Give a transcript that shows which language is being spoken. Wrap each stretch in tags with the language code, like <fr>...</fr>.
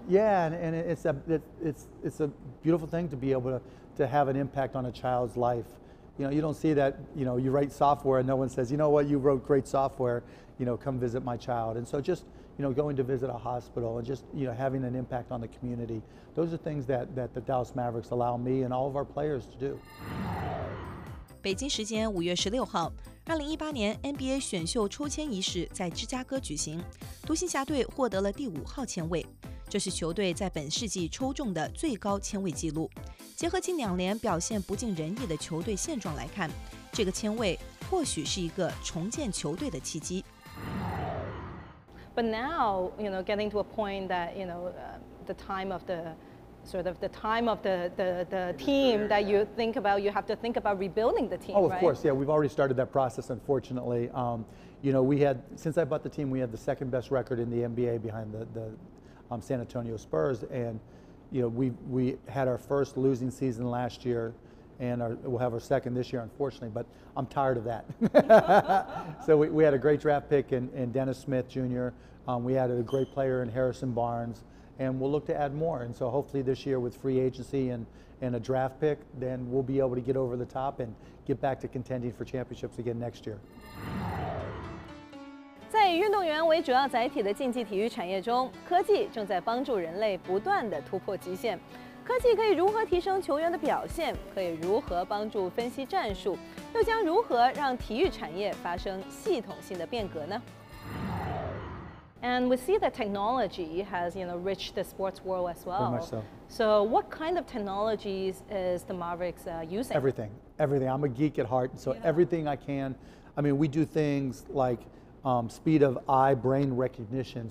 <en>Yeah, and it's a beautiful thing to be able to have an impact on a child's life. You know, you don't see that, you know, you write software and no one says, you know what, you wrote great software, you know, come visit my child. And so just, you know, going to visit a hospital and just, you know, having an impact on the community. Those are things that the Dallas Mavericks allow me and all of our players to do.</en> <zh>北京时间5月16号2018年 NBA 选秀抽签仪式在芝加哥举行，独行侠队获得了第5号签位，这是球队在本世纪抽中的最高签位记录。结合近两年表现不尽人意的球队现状来看，这个签位或许是一个重建球队的契机。</zh> <en>But now, you know, getting to a point that, you know, the time of the sort of the time of the team that you think about, you have to think about rebuilding the team. Oh, of right? course, yeah. We've already started that process, unfortunately. You know, since I bought the team, we had the second best record in the NBA behind the San Antonio Spurs. And, you know, we had our first losing season last year, and we'll have our second this year, unfortunately, but I'm tired of that. So we had a great draft pick in Dennis Smith Jr. We added a great player in Harrison Barnes, and we'll look to add more. And so hopefully this year with free agency and a draft pick, then we'll be able to get over the top and get back to contending for championships again next year.</en> <zh>在以运动员为主要载体的竞技体育产业中，科技正在帮助人类不断地突破极限。科技可以如何提升球员的表现，可以如何帮助分析战术，又将如何让体育产业发生系统性的变革呢？</zh> <en>And we see that technology has, you know, reached the sports world as well. Very much so. So what kind of technologies is the Mavericks using? Everything. I'm a geek at heart. So yeah. Everything I can. I mean, we do things like speed of eye, brain recognition.</en>